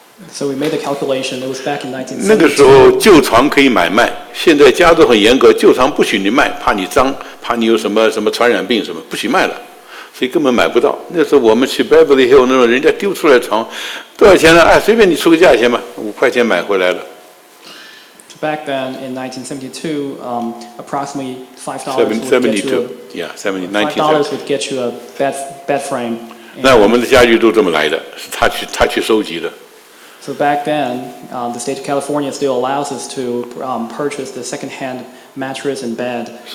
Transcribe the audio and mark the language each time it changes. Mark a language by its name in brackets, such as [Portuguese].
[English] So we made a calculation, it was back in 1972. [Chinese] 那个时候旧床可以买卖, 现在家都很严格, 旧床不许你卖, 怕你脏, 怕你有什么传染病什么, 不许卖了。所以根本买不到, 那时候我们去Beverly Hill那种, 人家丢出来床, 多少钱呢? 哎, 随便你出个价钱吧, 5块钱买回来了。 [English] Back then, in 1972, approximately $5 would get you a bed frame. [Chinese] 那我们的家具都这么来的, 是他去收集的。 [English] So back then, the state of California still allows us to purchase the second-hand mattress and bed.